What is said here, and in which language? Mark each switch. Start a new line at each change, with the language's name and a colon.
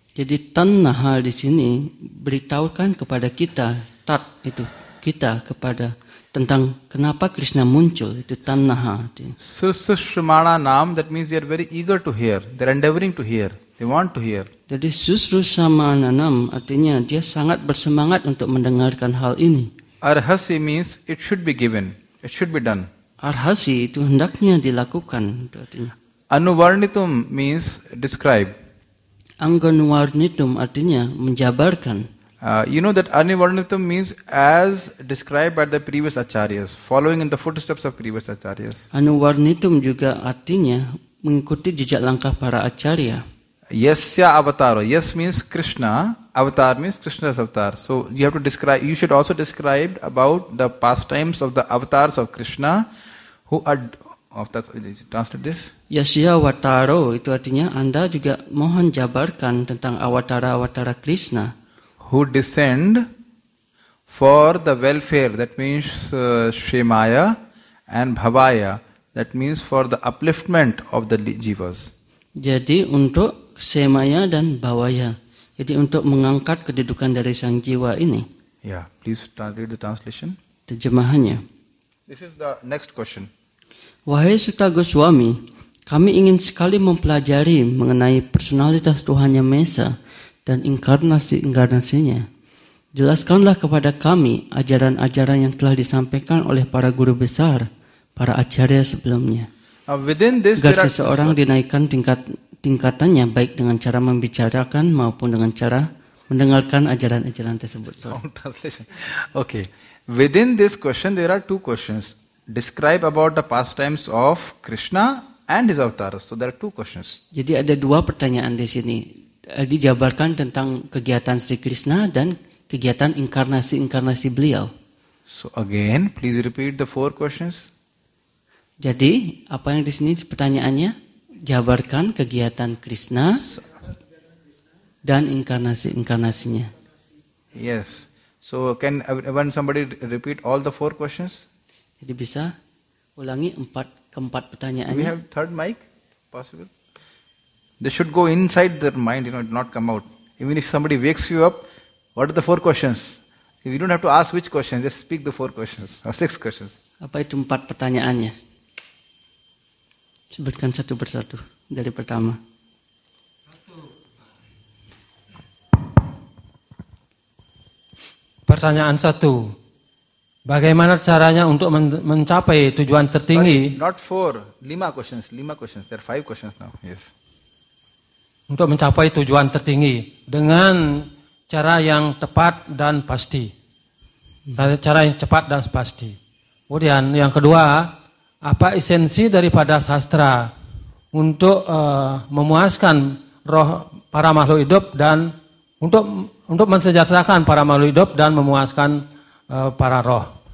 Indonesian: Jadi tanah di sini beritahukan kepada kita tat itu kita kepada tentang kenapa Krishna muncul itu tanah.
English: Susrushumana nam, that means they are very eager to hear, they are endeavoring to hear, they want to hear.
Indonesian: Jadi susrushumana nam artinya dia sangat bersemangat untuk mendengarkan hal ini.
English: Arhasi means it should be given, it should be done.
Indonesian: Arhasi itu hendaknya dilakukan.
English: Anuvarnitum means describe.
Indonesian: Anganuvarnitum artinya menjabarkan.
English: You know that anuvarnitum means as described by the previous acharyas, following in the footsteps of previous acharyas.
Indonesian: Anuvarnitum juga artinya mengikuti jejak langkah para acharya.
English: Yasya avataro. Yes means Krishna. Avatar means Krishna's avatar. So you have to describe. You should also describe about the pastimes of the avatars of Krishna, who are. Of that, translate this.
Indonesian: Yasya avataro, itu artinya Anda juga mohon jabarkan tentang avatara-avatara Krishna.
English: Who descend for the welfare, that means Shemaya and Bhavaya, that means for the upliftment of the jivas.
Indonesian: Jadi untuk Shemaya dan Bhavaya, jadi untuk mengangkat kedudukan dari sang jiwa ini.
English: Yeah, please translate the translation.
Indonesian: Terjemahannya.
English: This is the next question.
Indonesian: Wahai Seta Goswami, kami ingin sekali mempelajari mengenai personalitas Tuhan Yang Maha Esa dan inkarnasi-inkarnasinya. Jelaskanlah kepada kami ajaran-ajaran yang telah disampaikan oleh para guru besar, para acharya sebelumnya. Agar seseorang dinaikkan tingkatannya baik dengan cara membicarakan maupun dengan cara mendengarkan ajaran-ajaran tersebut.
English: Okay. Within this question, there are two questions. Describe about the pastimes of Krishna and his avatars. So there are two questions.
Indonesian: Jadi ada dua pertanyaan di sini. Dijabarkan tentang kegiatan Sri Krishna dan kegiatan inkarnasi-inkarnasi beliau.
English: So again, please repeat the four questions.
Indonesian: Jadi apa yang di sini pertanyaannya? Jabarkan kegiatan Krishna dan inkarnasi-inkarnasinya.
English: Yes. So can everyone somebody repeat all the four questions?
Indonesian: Jadi bisa ulangi keempat pertanyaannya.
English: Do we have third mic? Possible? They should go inside their mind, you know, not come out. Even if somebody wakes you up, what are the four questions? You don't have to ask which questions, just speak the four questions, or six questions.
Indonesian: Apa itu empat pertanyaannya? Sebutkan satu persatu dari pertama. Satu. pertanyaan satu. Bagaimana caranya untuk mencapai tujuan tertinggi?
English: Sorry, not four, lima questions. There are five questions now. Yes.
Indonesian: Untuk mencapai tujuan tertinggi dengan cara yang tepat dan pasti. Dengan cara yang cepat dan pasti. Kemudian yang kedua, apa esensi daripada sastra untuk memuaskan roh para makhluk hidup dan untuk mensejahterakan para makhluk hidup dan memuaskan para roh.